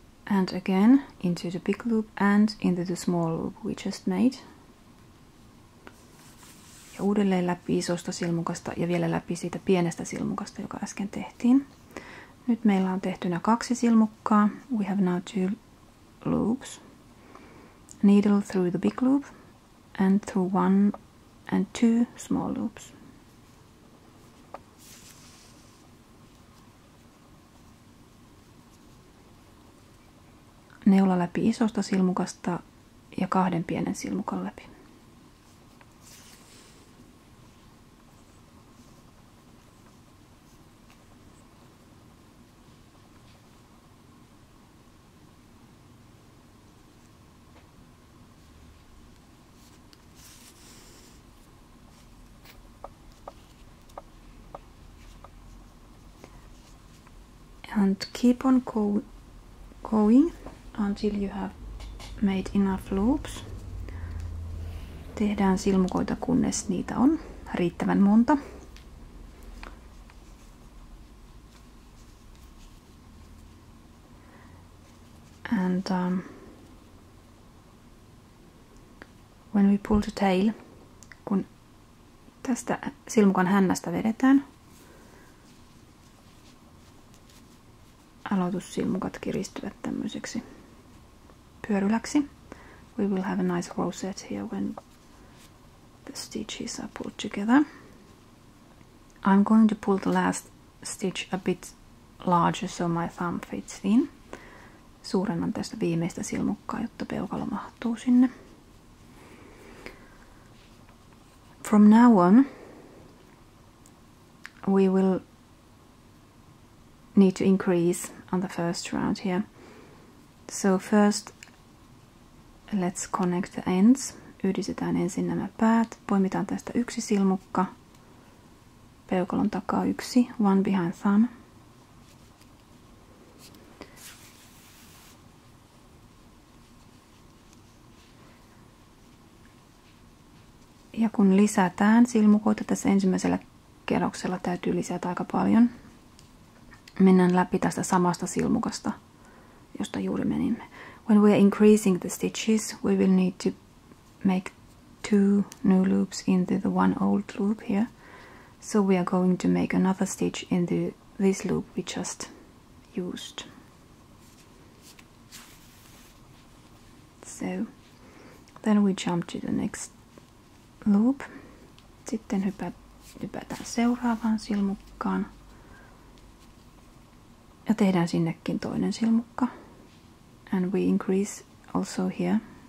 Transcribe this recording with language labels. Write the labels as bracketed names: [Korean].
[English] And again into the big loop and into the small loop we just made. [Finnish] Ja uudelleen läpi isosta silmukasta ja vielä läpi siitä pienestä silmukasta, joka äsken tehtiin. Nyt meillä on tehtynä kaksi silmukkaa. [English] We have now two loops. Needle through the big loop and through one and two small loops. [Finnish] Neula läpi isosta silmukasta ja kahden pienen silmukan läpi. [English] and keep on going until you have made enough loops. [Finnish] Tehdään silmukoita, kunnes niitä on riittävän monta. [English] And when we pull the tail, [Finnish] kun tästä silmukan hännästä vedetään, aloitussilmukat kiristyvät tämmöiseksi pyörylläksi. [English] We will have a nice rosette here when the stitches are pulled together. I'm going to pull the last stitch a bit larger so my thumb fits in. [Finnish] Suurennan tästä viimeistä silmukkaa, jotta peukalo mahtuu sinne. [English] From now on, we will need to increase on the first round here. So first, let's connect the ends. [Finnish] Yhdistetään ensin nämä päät. Poimitaan tästä yksi silmukka. Peukalon takaa yksi. [English] One behind thumb. [Finnish] Ja kun lisätään silmukoita tässä ensimmäisellä kerroksella, täytyy lisätä aika paljon. Mennään läpi tästä samasta silmukasta, josta juuri menimme. [English] When we are increasing the stitches, we will need to make two new loops into the one old loop here. So we are going to make another stitch into this loop we just used. So, then we jump to the next loop. [Finnish] Sitten hypätään seuraavaan silmukkaan. Ja tehdään sinnekin toinen silmukka. [English] And we increase also here.